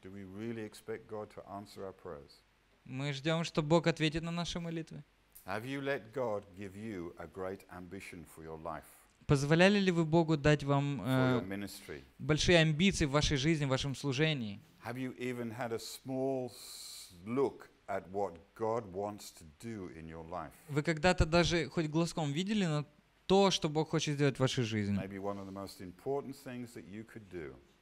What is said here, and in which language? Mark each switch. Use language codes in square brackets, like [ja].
[en] Do we really expect God to answer our prayers? [ru] Мы ждем, что Бог ответит на наши молитвы? [en] Have you let God give you a great ambition for your life? [ru] Позволяли ли вы Богу дать вам [en] ministry? [ru] Большие амбиции в вашей жизни, в вашем служении? [en] Have you even had a small look at what God wants to do in your life? [ru] Вы когда-то даже хоть глазком видели на то, что Бог хочет сделать в вашей жизни? [en] Maybe one of the most important things that you could do.